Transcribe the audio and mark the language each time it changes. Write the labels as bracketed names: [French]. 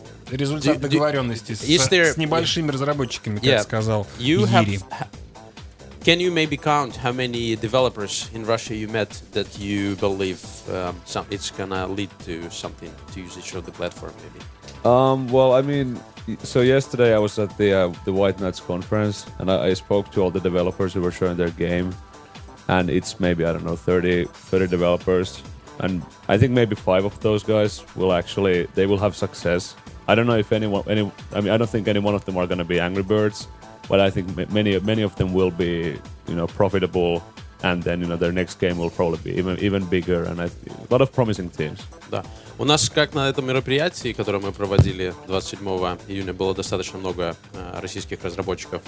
[Russian] Результат договоренности с небольшими разработчиками, как сказал Юрий. [English] Can you maybe count how many developers in Russia you met that you believe it's gonna lead to something, to usage of the platform maybe? Well, I mean, so yesterday I was at the White Knights conference, and I spoke to all the developers who were showing their game, and it's maybe, I don't know, 30 developers, and I think maybe 5 of those guys will have success. I don't know if I don't think any one of them are gonna be Angry Birds, but I think many of them will be, you know, profitable, and then, you know, their next game will probably be even bigger, and a lot of promising teams. [Russian] Да. У нас как на этом мероприятии, которое мы проводили 27 июня, было достаточно много российских разработчиков.